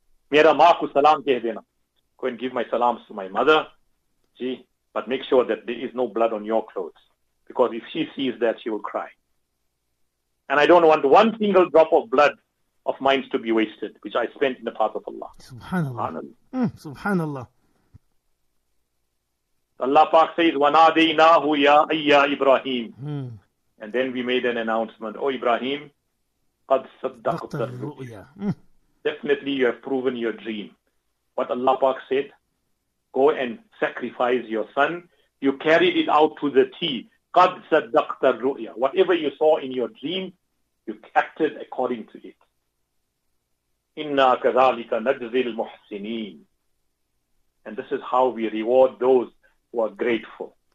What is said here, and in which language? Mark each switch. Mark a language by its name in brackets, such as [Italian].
[Urdu] Mera maa ko salam keh dena. [English] Go and give my salams to my mother. See, but make sure that there is no blood on your clothes. Because if she sees that, she will cry. And I don't want one single drop of blood of mine to be wasted, which I spent in the path of Allah. Subhanallah. Allah Pak says, [Arabic] وَنَادَيْنَاهُ يَا أَيَّا إِبْرَاهِيمُ. [English] And then we made an announcement. Oh, [Arabic] Ibrahim, قَدْ صَدَّقْتَ الرُّؤْيَا. [English] Definitely you have proven your dream. What Allah Pak said, go and sacrifice your son. You carried it out to the T. [Arabic] قَدْ صَدَّقْتَ الرُّؤْيَا. [English] Whatever you saw in your dream, you acted according to it. [Arabic] Inna kadhalika najzil muhsinin. [English] And this is how we reward those who are grateful.